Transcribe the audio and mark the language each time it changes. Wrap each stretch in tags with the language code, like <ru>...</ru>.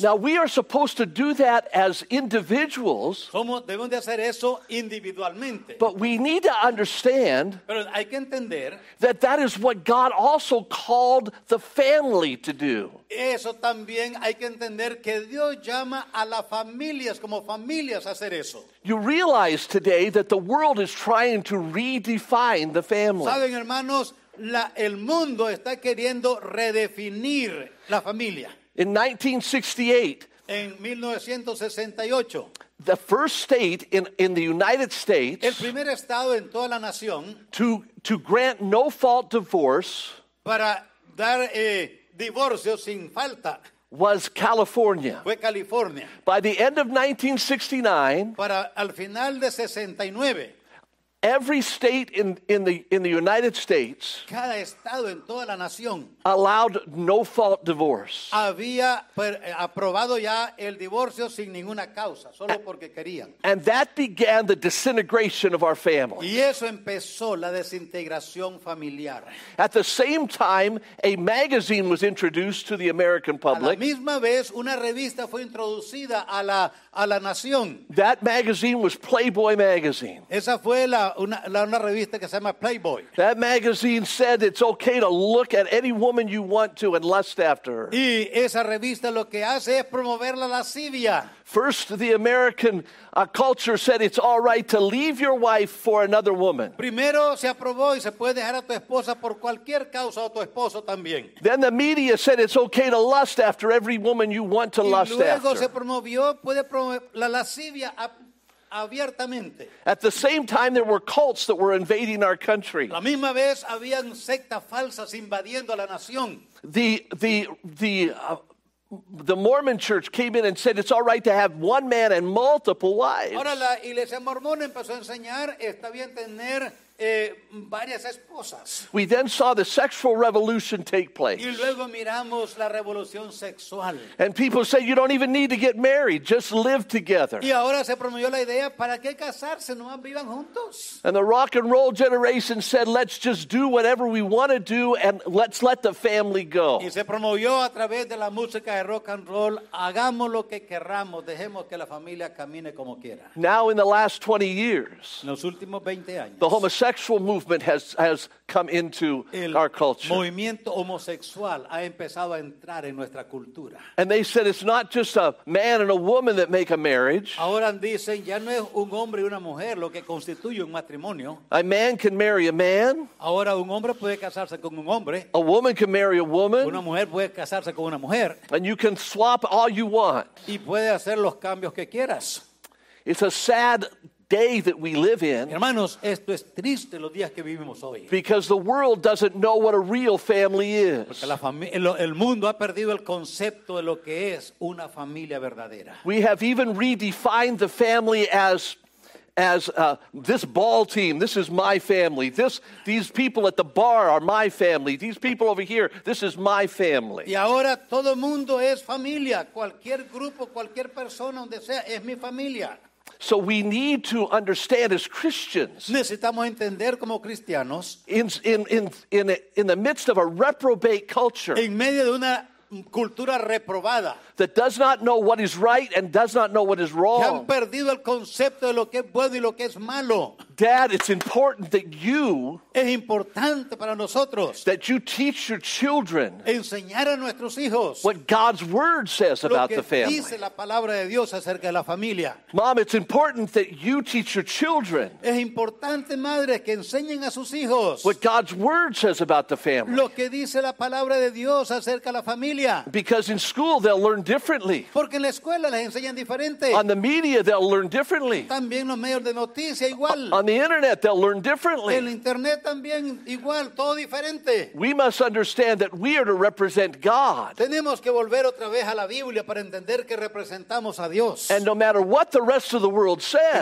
<en>Now we are supposed to do that as individuals.</en> <es>Somos, debemos de hacer eso individualmente.</es> <en>But we need to understand.</en> <es>Pero hay que entender.</es> <en>That is what God also called the family to do.</en> <es>Eso también hay que entender que Dios llama a las familias como familias a hacer eso.</es> <en>You realize today that the world is trying to redefine the family.</en> <es>Saben, hermanos, el mundo está queriendo redefinir la familia.</es> <en>In 1968,</en> <es>en 1968,</es> <en>the first state in the United States,</en> <es>el primer estado en toda la nación,</es> <en>to grant no-fault divorce,</en> <es>para dar divorcio sin falta,</es> <en>was California.</en> <es>Fue California.</es> <en>By the end of 1969,</en> <es>para al final de 69,</es> <en>every state in the United States,</en> <es>cada estado en toda la nación,</es> <en>allowed no-fault divorce.</en> <es>Había aprobado ya el divorcio sin ninguna causa, solo porque querían.</es> <en>And that began the disintegration of our family.</en> <es>Y eso empezó la desintegración familiar.</es> <en>At the same time, a magazine was introduced to the American public.</en> <es>A la misma vez, una revista fue introducida a la nación.</es> <en>That magazine was Playboy magazine.</en> <es>Esa fue una revista que se llama Playboy.</es> <en>That magazine said it's okay to look at any woman you want to and lust after her.</en> <es>Y esa revista lo que hace es promover la lascivia.</es> <en>First, the American culture said it's all right to leave your wife for another woman.</en> <es>Primero se aprobó y se puede dejar a tu esposa por cualquier causa o tu esposo también.</es> <en>Then the media said it's okay to lust after every woman you want to lust after.</en> <es>Y luego se promovió puede promover la lascivia abiertamente.</es> <en>At the same time, there were cults that were invading our country.</en> <es>La misma vez habían sectas falsas invadiendo la nación.</es> <en>The Mormon Church came in and said it's all right to have one man and multiple wives.</en> <es>Ahora la iglesia mormona empezó a enseñar está bien tener varias esposas.</es> <en>We then saw the sexual revolution take place.</en> <es>Y luego miramos la revolución sexual.</es> <en>And people say you don't even need to get married, just live together.</en> <es>Y ahora se promovió la idea, ¿para qué casarse? ¿No vivan juntos?</es> <en>And the rock and roll generation said, let's just do whatever we want to do and let's let the family go.</en> <es>Y se promovió a través de la música de rock and roll, hagamos lo que queramos, dejemos que la familia camine como quiera.</es> <en>Now in the last 20 years,</en> <es>en los últimos 20 años,</es> <en>the homosexual movement has come into</en> <es>el</es> <en>our culture.</en> <es>Movimiento homosexual ha empezado a entrar en nuestra cultura.</es> <en>And they said it's not just a man and a woman that make a marriage.</en> <es>Ahora dicen ya no es un hombre y una mujer lo que constituye un matrimonio.</es> <en>A man can marry a man.</en> <es>Ahora un hombre puede casarse con un hombre.</es> <en>A woman can marry a woman.</en> <es>Una mujer puede casarse con una mujer.</es> <en>And you can swap all you want.</en> <es>Y puede hacer los cambios que quieras.</es> <en>It's a sad day that we live in.</en> <es>Hermanos, esto es triste los días que vivimos hoy.</es> <en>Because the world doesn't know what a real family is.</en> <es>Porque el mundo ha perdido el concepto de lo que es una familia verdadera.</es> <en>We have even redefined the family as this ball team, this is my family. These people at the bar are my family. These people over here, this is my family.</en> <es>Y ahora todo mundo es familia. Cualquier grupo, cualquier persona, donde sea, es mi familia.</es> <en>So we need to understand as Christians.</en> <es>Necesitamos entender como cristianos.</es> <en>In the midst of a reprobate culture.</en> <es>En medio de una cultura reprobada.</es> <en>That does not know what is right and does not know what is wrong.</en> <es>Que han perdido el concepto de lo que es bueno y lo que es malo.</es> <en>Dad, it's important that you.</en> <es>Es importante para nosotros.</es> <en>That you teach your children.</en> <es>Enseñar a nuestros hijos.</es> <en>What God's word says about the family.</en> <es>Lo que dice la palabra de Dios acerca de la familia.</es> <en>Mom, it's important that you teach your children.</en> <es>Es importante, madre, que enseñen a sus hijos.</es> <en>What God's word says about the family.</en> <es>Lo que dice la palabra de Dios acerca de la familia.</es> <en>Because in school they'll learn differently.</en> <es>Porque en la escuela les enseñan diferente.</es> <en>On the media they'll learn differently.</en> <es>También los medios de noticia igual.</es> <en>On the internet they'll learn differently.</en> <es>El internet también igual, todo diferente.</es> <en>We must understand that we are to represent God.</en> <es>Tenemos que volver otra vez a la Biblia para entender que representamos a Dios.</es> <en>And no matter what the rest of the world says,</en>